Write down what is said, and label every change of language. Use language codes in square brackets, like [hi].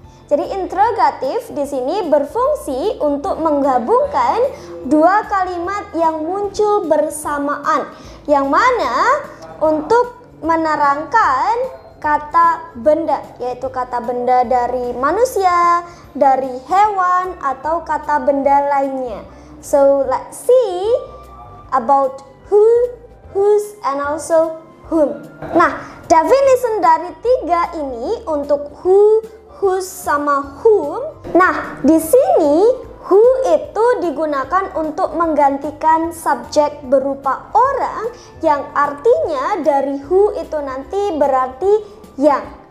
[id] Jadi integratif di sini berfungsi untuk menggabungkan dua kalimat yang muncul bersamaan, yang mana untuk menerangkan kata benda, yaitu kata benda dari manusia, dari hewan, atau kata benda lainnya. [en] So let's see about who, whose, and also whom. [id] Nah, definition dari tiga ini untuk who, whose, sama whom. Nah, di sini who itu digunakan untuk menggantikan subjek berupa orang, yang artinya dari who itu nanti berarti yang.